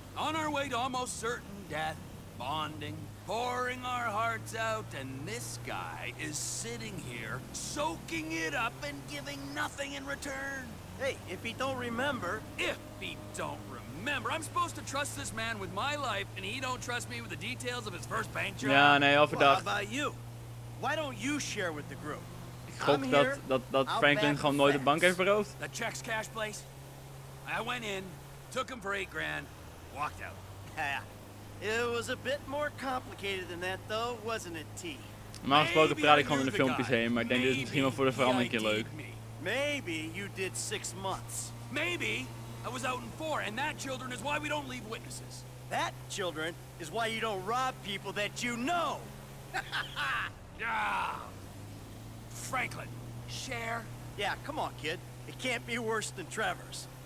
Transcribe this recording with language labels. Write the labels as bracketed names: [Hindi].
[English] On our way to almost certain death, bonding, pouring our hearts out, and this guy is sitting here, soaking it up and giving nothing in return. Hey, if he don't remember... If he don't remember, I'm supposed to trust this man with my life, and he don't trust me with the details of his first bank job? [Dutch] Ja, nee, overdag. [English] Well, how about you? Why don't you share with the group? [Dutch] Ik gok dat Franklin gewoon nooit de bank heeft beroofd. [English] The checks cash place? I went in, took him for $8,000. Walked out. Yeah. It was a bit more complicated than that though, wasn't it, T? [Dutch] Normaal gesproken praat ik gewoon in de filmpjes heen, maar ik denk dit is misschien wel voor de verandering keer leuk. [English] Maybe you did 6 months. Maybe I was out in 4, and that children is why we don't leave witnesses. That children is why you don't rob people that you know. Yeah. Franklin, share. Yeah, come on, kid. It can't be worse than Trevor's.